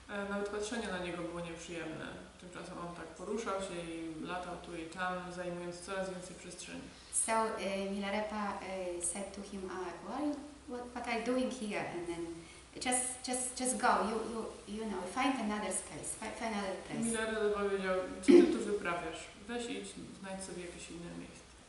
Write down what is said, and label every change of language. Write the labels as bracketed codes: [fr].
[pl] Nawet patrzenie na niego było nieprzyjemne. Tymczasem on tak poruszał się i latał tu i tam, zajmując coraz więcej przestrzeni. [en] So Milarepa said to him, what are you doing here? And then just go. You know, find another space, find another place. [pl] Milady odpowiedział, co ty tu wyprawiasz? Weź idź, znajdź sobie jakieś inne miejsce.